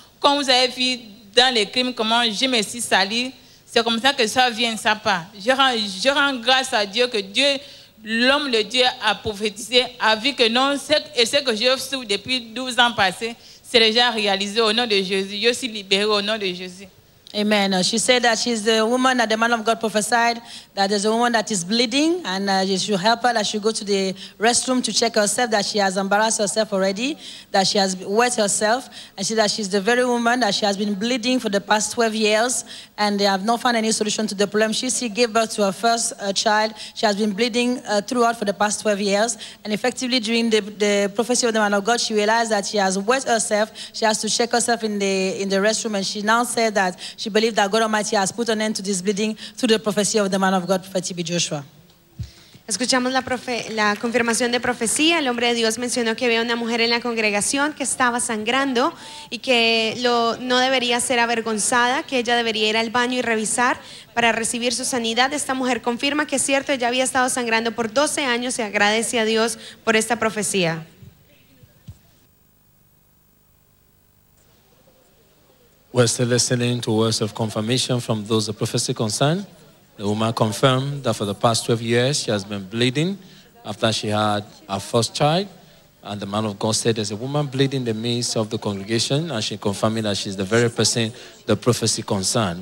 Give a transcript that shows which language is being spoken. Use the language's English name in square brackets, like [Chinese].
[French] Quand vous avez vu dans les crimes comment je me suis sali, c'est comme ça que ça vient, ça part. Je rends grâce à Dieu que Dieu, l'homme de Dieu a prophétisé, a vu que non, ce que je souffre depuis 12 ans passés, c'est déjà réalisé au nom de Jésus. Je suis libérée au nom de Jésus. Amen. [English] She said that she's the woman that the man of God prophesied, that there's a woman that is bleeding, and she should help her, that she should go to the restroom to check herself, that she has embarrassed herself already, that she has wet herself, and she said that she's the very woman that she has been bleeding for the past 12 years, and they have not found any solution to the problem. She gave birth to her first child. She has been bleeding throughout for the past 12 years, and effectively during the prophecy of the man of God, she realized that she has wet herself, she has to check herself in the restroom, and she now said that she believes that God Almighty has put an end to this bleeding through the prophecy of the man of God, Prophet T.B. Joshua. [Spanish] Escuchamos la confirmación de profecía. El hombre de Dios mencionó que había una mujer en la congregación que estaba sangrando y que no debería ser avergonzada, que ella debería ir al baño y revisar para recibir su sanidad. Esta mujer confirma que es cierto, ella había estado sangrando por 12 años y agradece a Dios por esta profecía. [English] We're still listening to words of confirmation from those the prophecy concerned. The woman confirmed that for the past 12 years she has been bleeding after she had her first child. And the man of God said there's a woman bleeding in the midst of the congregation, and she confirming that she's the very person the prophecy concerned.